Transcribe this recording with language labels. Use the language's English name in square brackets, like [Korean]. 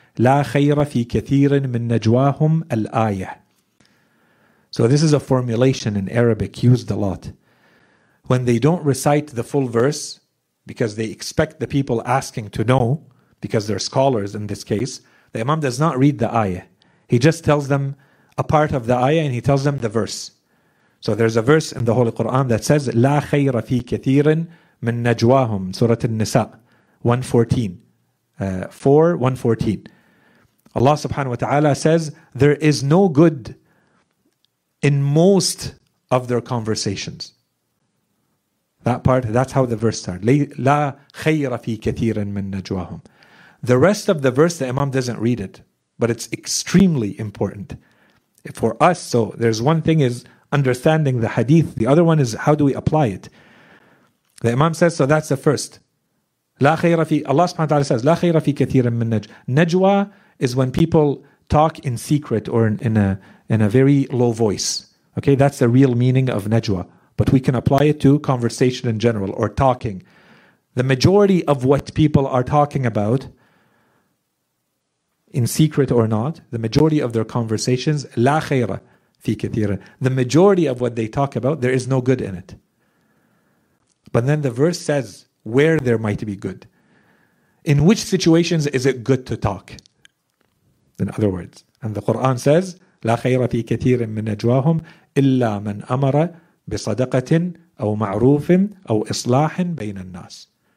[Arabic] لا خير في كثير من نجواهم الآية. [English] So this is a formulation in Arabic used a lot. When they don't recite the full verse, because they expect the people asking to know, because they're scholars in this case, the Imam does not read the ayah. He just tells them a part of the ayah and he tells them the verse. So there's a verse in the Holy Quran that says, [Arabic] لا خير في كثير من نجواهم, [English] Surah An-Nisa 114. 4:114. Allah subhanahu wa ta'ala says, there is no good in most of their conversations. That part, that's how the verse starts. [Arabic] لا خير في كثير من نجواهم. [English] The rest of the verse, the Imam doesn't read it, but it's extremely important for us. So there's one thing is understanding the hadith. The other one is how do we apply it? The Imam says, so that's the first. [Arabic] لا خير في, [English] Allah subhanahu wa ta'ala says, [Arabic] لا خير في كثير من نجوى. [English] Najwa is when people talk in secret or in a very low voice. Okay, that's the real meaning of najwa. But we can apply it to conversation in general or talking. The majority of what people are talking about, in secret or not, the majority of their conversations, [Arabic] لا خير في كثير. [English] The majority of what they talk about, there is no good in it. But then the verse says where there might be good. In which situations is it good to talk? In other words, and the Quran says, [Arabic] لا خير في كثير من نجواهم إلا من أمر بصدقة أو معروف أو إصلاح بين الناس.